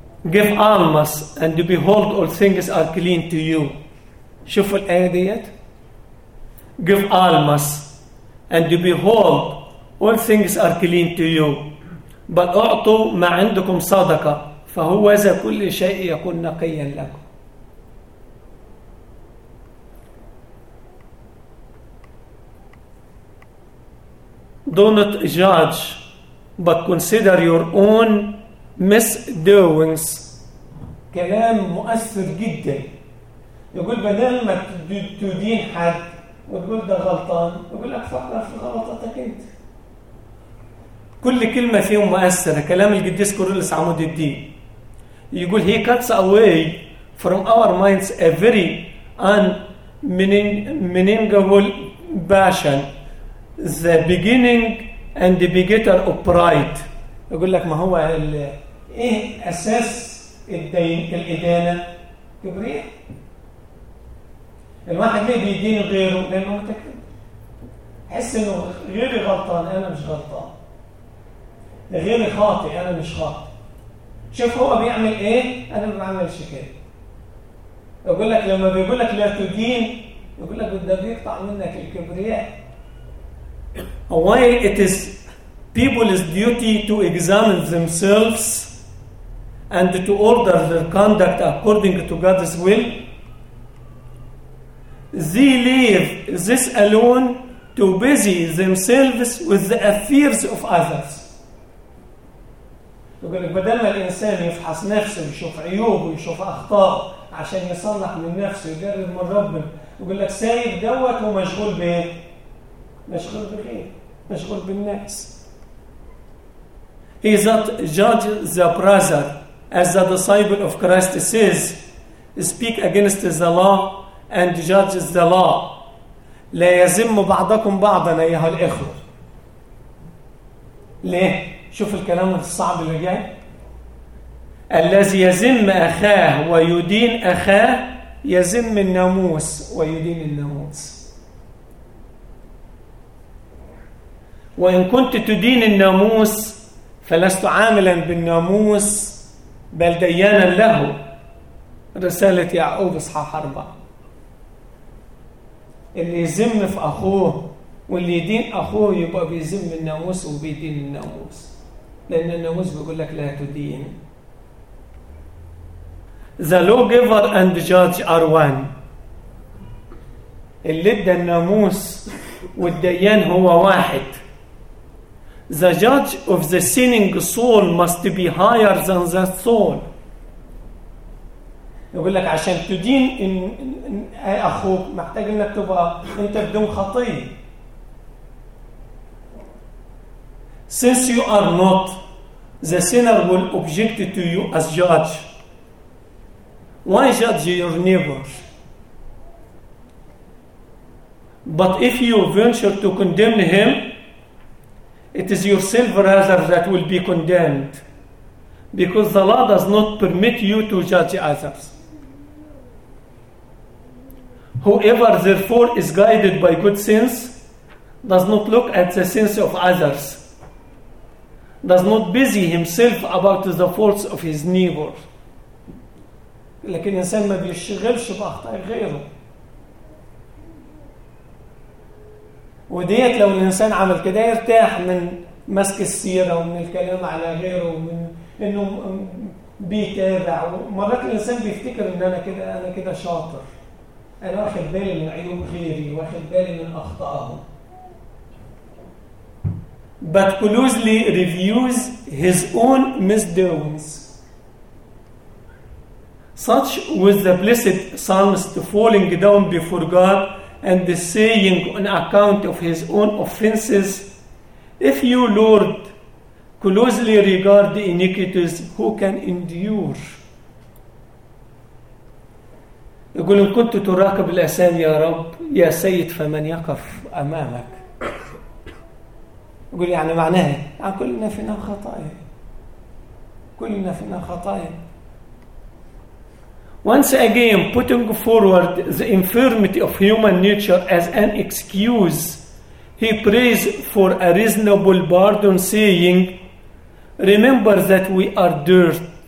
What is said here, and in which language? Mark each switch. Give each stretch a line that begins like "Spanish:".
English: Give almas and behold all things are clean to you.
Arabic: شوفوا الآية ديت.
English: Give almas and behold all things are clean to you.
Arabic: بل أعطوا ما عندكم صدقة فهو ذا كل شيء يكون نقيا لكم.
English: Do not judge, but consider your own misdoings.
Arabic: كلام مؤثر جدا. يقول بدل ما تدين حد وتقول ده غلطان، يقول لك فكر في غلطتك انت. كل كلمة فيهم مؤثرة. كلام القديس كورنيليوس عمود الدين يقول
English: he cuts away from our minds a very unmeaningable passion, the beginning and the beginning of pride.
Arabic: يقول لك ما هو ايه اساس الدين الادانة؟ كبرياء. الواحد ليه بيدين غيره؟ لانه متكبر، حس انه غيري غلطان، انا مش غلطان، غيري خاطئ، انا مش خاطئ. شوف هو بيعمل ايه، انا ما بعملش كده. يقول لك لما بيقول لك لا تدين، يقول لك ده بيقطع منك الكبرياء.
English: Why it is people's duty to examine themselves and to order their conduct according to God's will. They leave this alone to busy themselves with the affairs of others.
Arabic: بدل ما الإنسان يفحص نفسه ويشوف عيوبه ويشوف أخطاء عشان يصلح من نفسه ويقرب من ربه، يقول لك سايب دوت ومشغول بيه، مشغول بخير، مشغول بالناس.
English: He is not judge the brother, as the disciple of Christ says, speak against the law and judge the law.
Arabic: لا يزم بعضكم بعضا أيها الإخوة. ليه؟ شوف الكلام الصعب اللي جاي. الذي يزم أخاه ويدين أخاه يزم الناموس ويدين الناموس. وإن كنت تدين الناموس فلست عاملا بالناموس بل ديانا له. رسالة يعقوب إصحاح 4. اللي يزم في أخوه واللي يدين أخوه يبقى بيزم الناموس وبيدين الناموس، لأن الناموس بيقول لك لا تدين.
English: The lawgiver and judge are one.
Arabic: اللي ادى الناموس والديان هو واحد.
English: The judge of the sinning soul must be higher than that soul.
Arabic: يقول لك عشان تدين إن أخوك محتاج إنك تبقى أنت بدون خطية.
English: Since you are not, the sinner will object to you as judge. Why judge your neighbor? But if you venture to condemn him, it is yourself rather that will be condemned, because the law does not permit you to judge others. Whoever therefore is guided by good sense does not look at the sins of others, does not busy himself about the faults of his neighbor.
Arabic: لكن الإنسان ما بيشغلش بأخطاء غيره. وديت لو الإنسان عمل كده يرتاح من مسك السيرة ومن الكلام على غيره ومن إنه بيتابع. ومرات الإنسان بيفتكر إن أنا كده شاطر، أنا واخد بالي من عيوب غيري، واخد بالي من أخطائهم.
English: But closely reviews his own misdoings. Such was the blessed psalmist falling down before God and saying on account of his own offenses, if you, Lord, closely regard the iniquities, who can endure?
Arabic: يقول إن كنت تراقب الأسان يا رب يا سيد فمن يقف أمامك. يقول يعني معناه كلنا فينا خطايا، كلنا فينا خطايا.
English: Once again, putting forward the infirmity of human nature as an excuse, he prays for a reasonable pardon, saying, "Remember that we are dirt."